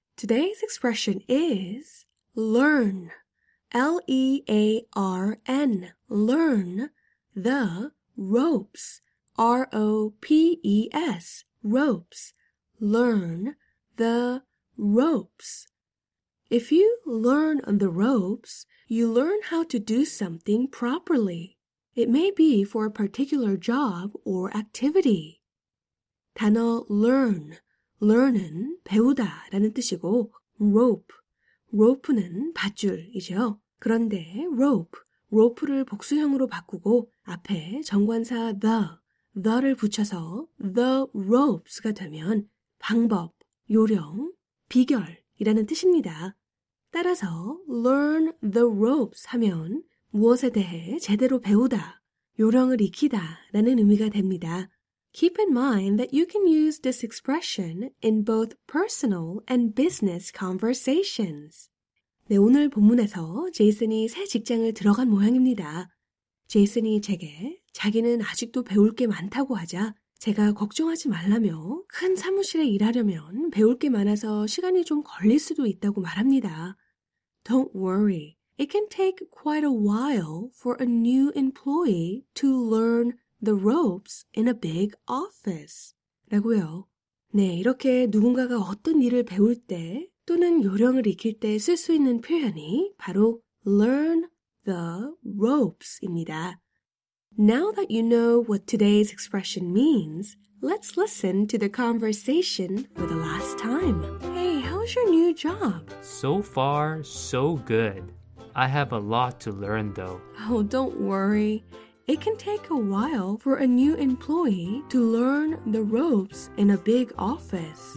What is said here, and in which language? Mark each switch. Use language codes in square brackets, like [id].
[en] 's expression is learn, L-E-A-R-N, learn the ropes, R-O-P-E-S, ropes, learn the ropes. If you learn the ropes, you learn how to do something properly. It may be for a particular job or activity. [ko] 단어 learn, learn은 배우다 라는 뜻이고, rope, rope는 밧줄이죠. 그런데 rope, rope를 복수형으로 바꾸고 앞에 정관사 the를 붙여서 the ropes가 되면 방법, 요령, 비결이라는 뜻입니다. 따라서 learn the ropes 하면 무엇에 대해 제대로 배우다, 요령을 익히다 라는 의미가 됩니다. [en] Keep in mind that you can use this expression in both personal and business conversations. [ko] 네, 오늘 본문에서 제이슨이 새 직장을 들어간 모양입니다. 제이슨이 제게 자기는 아직도 배울 게 많다고 하자 제가 걱정하지 말라며 큰 사무실에 일하려면 배울 게 많아서 시간이 좀 걸릴 수도 있다고 말합니다. [en] Don't worry. It can take quite a while for a new employee to learn the ropes in a big office. [ko] 라고요. 네, 이렇게 누군가가 어떤 일을 배울 때 또는 요령을 익힐 때 쓸 수 있는 표현이 바로 learn the ropes입니다. [en] Now that you know what today's expression means, let's listen to the conversation for the last time. Hey, how's your new job? So far, so good. I have a lot to learn, though. Oh, don't worry. It can take a while for a new employee to learn the ropes in a big office.